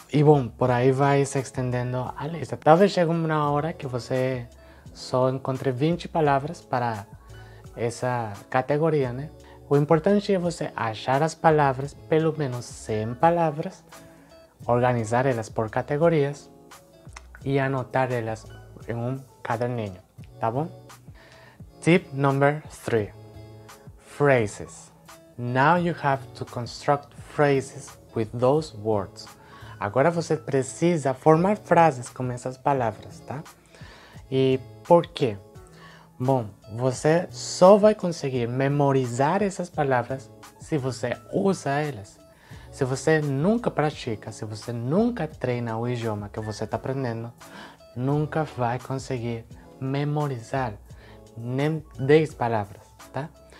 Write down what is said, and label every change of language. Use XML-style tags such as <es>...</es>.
<pt>E bom, por aí vai se estendendo a lista. Talvez chegue uma hora que você só encontre 20 palavras para essa categoria, né? O importante é você achar as palavras, pelo menos 100 palavras, organizar elas por categorias e anotar elas em um caderninho, tá bom?</pt> <en>Tip number 3. Phrases. Now you have to construct phrases with those words.</en> <pt>Agora você precisa formar frases com essas palavras, tá? E por quê? Bom, você só vai conseguir memorizar essas palavras se você usa elas. Se você nunca pratica, se você nunca treina o idioma que você está aprendendo, nunca vai conseguir memorizar nem 10 palavras, tá?</pt>